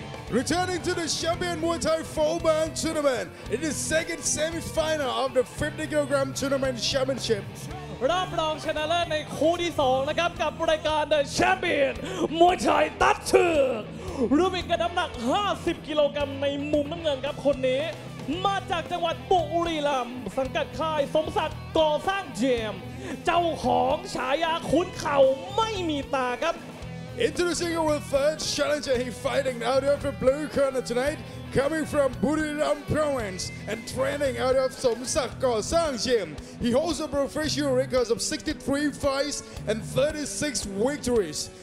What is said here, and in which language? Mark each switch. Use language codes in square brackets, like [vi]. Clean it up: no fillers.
[en] Returning to the Champion Muay Thai 4-man tournament in the second semi-final of the 50 kg tournament championship. [th] รอบรองชนะเลิศในคู่ที่2นะครับกับรายการ The Champion Muay Thai ตัดเชือกรุ่นพิกัดน้ำหนัก50กิโลกรัมในมุมน้ำเงินครับคนนี้มาจากจังหวัดบุรีรัมย์สังกัดค่ายสมศักดิ์ก่อสร้างเจมเจ้าของฉายาขุนเข่าไม่มีตาครับ [en] Introducing our first challenger, he's fighting out of the blue corner tonight, coming from Buriram province and training out of Somsak Kosang Gym. He holds a professional record of 63 fights and 36 victories.